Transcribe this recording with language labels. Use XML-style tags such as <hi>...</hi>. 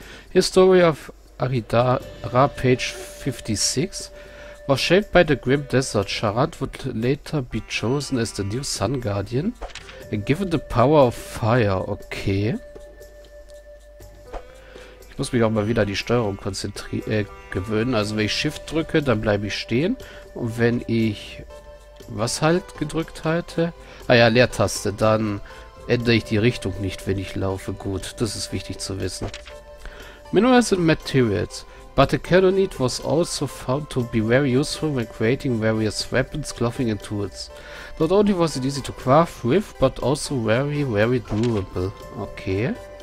<en>History of Aridara, page 56. Was shaped by the Grim Desert, Sharad would later be chosen as the new Sun Guardian and given the power of fire. Okay.</en> <de>Ich muss mich auch mal wieder an die Steuerung gewöhnen. Also wenn ich Shift drücke, dann bleibe ich stehen. Und wenn ich was halt gedrückt halte? Ah ja, Leertaste. Dann ändere ich die Richtung nicht, wenn ich laufe. Gut, das ist wichtig zu wissen.</de> <en>Minerals and Materials. But the Kalonite was also found to be very useful when creating various weapons, clothing and tools. Not only was it easy to craft with, but also very, very durable. Okay.</en>